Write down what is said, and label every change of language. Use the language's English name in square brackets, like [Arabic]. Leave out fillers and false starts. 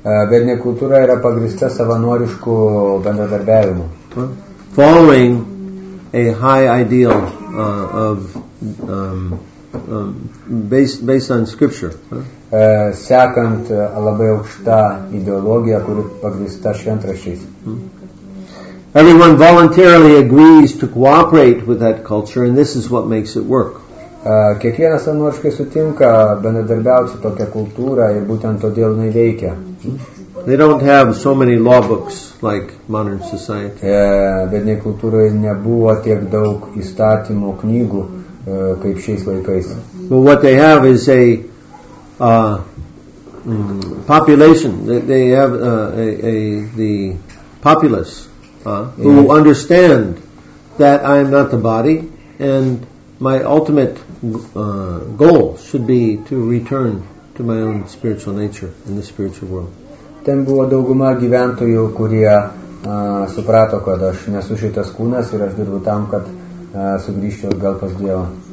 [Lithuanian] Vedinė kultūra yra pagrįsta savanorišku bendradarbiavimu. [English] Following a high ideal of based on scripture. [Lithuanian] Sekant labai aukšta ideologija, kuri pagrįsta šventraščiais. [English] Everyone voluntarily agrees to cooperate with that culture, and this is what makes it work. [Lithuanian] Kiekvienas savanoriškai sutinka bendradarbiauti su tokia kultūra ir būtent todėl jinai veikia. [English] They don't have so many law books like modern society. [Lithuanian] Vedinėje kultūroje nebuvo tiek daug įstatymų knygų kaip šiais laikais. [English] But what they have is a population. They have the populace who understand that I am not the body and my ultimate goal should be to return to my own spiritual nature in the spiritual world. [Lithuanian] Ten buvo dauguma gyventojų, kurie suprato, kad aš nesu šitas kūnas ir aš dirbu tam, kad sugrįžčiau atgal pas Dievą.